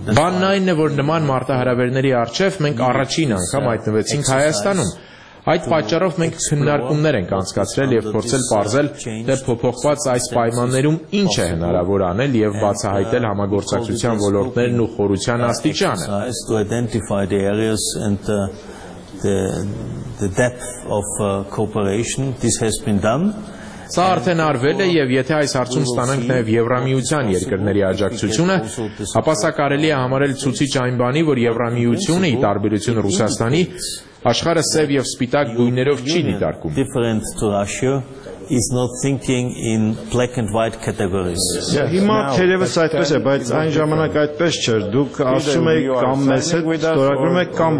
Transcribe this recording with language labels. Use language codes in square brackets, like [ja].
[hy] Բանն այն է, որ նման մարտահրավերների առջև մենք առաջին անգամ հայտնվեցինք Հայաստանում։ Այդ պատճառով մենք քննարկումներ ենք անցկացրել եւ փորձել պարզել, թե փոփոխված այս պայմաններում ինչ է հնարավոր անել եւ բացահայտել համագործակցության ոլորտներն ու խորության աստիճանը։ [en] The depth of cooperation, this has been done. [hy] Սա արդեն արվել է, եւ եթե այս հարցում ստանանք նաեւ Եվրամիության երկրների աջակցությունը, ապա սա կարելի է համարել ցուցիչ այն բանի, որ Եվրամիությունը, ի տարբերություն Ռուսաստանի, աշխարհը սև եւ սպիտակ գույներով չի դիտարկում։ [en] Is not thinking in black and white categories. [hy] Հիմա թերևս այդպես է, բայց այն ժամանակ այդպես չէր։ Դուք ասում եք կամ մեզ հետ ստորագրում եք կամ